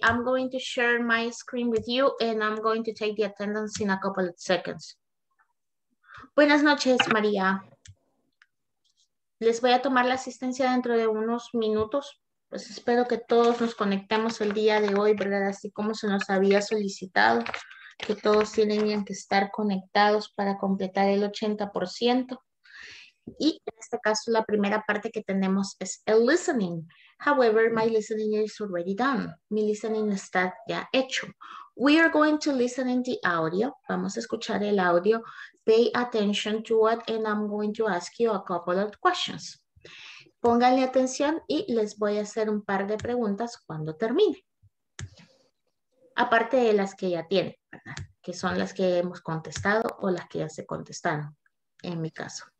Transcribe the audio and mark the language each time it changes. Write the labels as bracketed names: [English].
[English] I'm going to share my screen with you and I'm going to take the attendance in a couple of seconds. [Spanish] Buenas noches, María. Les voy a tomar la asistencia dentro de unos minutos. Pues espero que todos nos conectemos el día de hoy, ¿verdad? Así como se nos había solicitado, que todos tienen que estar conectados para completar el 80%. Y en este caso, la primera parte que tenemos es el listening. [English] However, my listening is already done. [Spanish] Mi listening está ya hecho. [English] We are going to listen in the audio. [Spanish] Vamos a escuchar el audio. [English] Pay attention to what, and I'm going to ask you a couple of questions. [Spanish] Pónganle atención y les voy a hacer un par de preguntas cuando termine. Aparte de las que ya tienen, ¿verdad? Que son las que hemos contestado o las que ya se contestaron, en mi caso.